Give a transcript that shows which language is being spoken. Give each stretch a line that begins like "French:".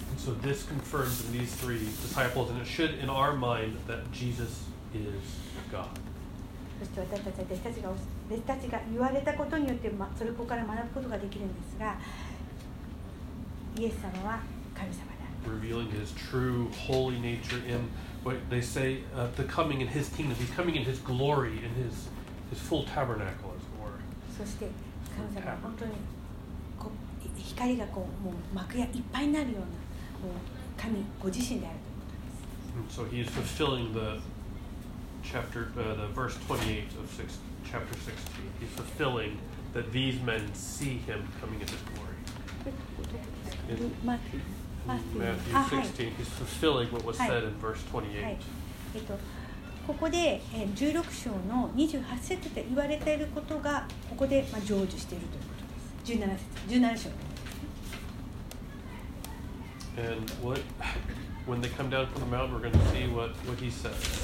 English: So this confirms in these three disciples, and it should in our mind, that Jesus is God.
Japanese: そして私たちが言われたことによって、それこから学ぶことができるんですが、イエス様は神様だ。
English: Revealing His true holy nature in what they say, the coming in His kingdom. He's coming in His glory, in His full tabernacle, as it were.
Japanese: そして神様は本当に光がこうもう幕屋いっぱいになるような。神ご自身であるということです。
English: So he is fulfilling the chapter, the verse 28 of chapter 16. He's fulfilling that these men see him coming in his glory. Matthew 16. He's fulfilling what was said in verse 28.
Japanese: ここで16章の28節で言われていることがここで成就しているということです。 17章。
English: And what, when they come down from the mountain, we're going to see what he says.